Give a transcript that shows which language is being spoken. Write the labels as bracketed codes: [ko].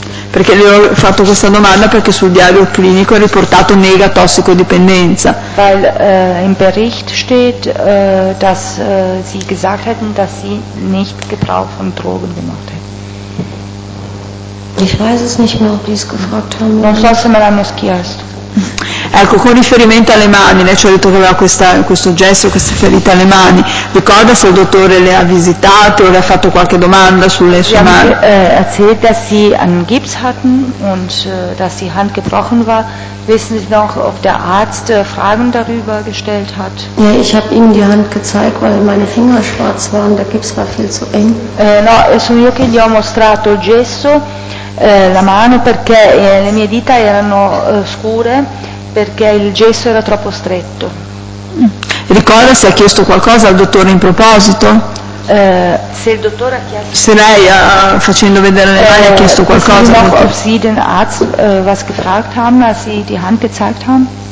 [it] Perché le ho fatto questa domanda perché sul diario clinico è riportato nega tossicodipendenza. [de] Weil im Bericht steht, dass sie gesagt hätten, dass sie nicht Gebrauch von Drogen gemacht hätten. Ich weiß es nicht mehr, ob die es gefragt haben. [it] Non so se me l'hanno chiesto. Ecco, con riferimento alle mani, lei ci ha detto che aveva questo gesto, queste ferite alle mani, ricorda se il dottore le ha visitate o le ha fatto qualche domanda sulle sue mani? [de] Sie haben erzählt, dass sie einen Gips hatten und dass die Hand gebrochen war. Wissen Sie noch, ob der Arzt Fragen darüber gestellt hat? Ja, ich habe ihm die Hand gezeigt, weil meine Finger schwarz waren, der Gips war viel zu eng. [it] No, sono io che gli ho mostrato il gesso, la mano, perché le mie dita erano scure, perché il gesso era troppo stretto. Ricorda se ha chiesto qualcosa al dottore in proposito? Se il dottore ha chiesto. Se lei, facendo vedere le mani, ha chiesto qualcosa. [de] Sie noch, ob Sie den Arzt was gefragt haben, als Sie die Hand gezeigt haben?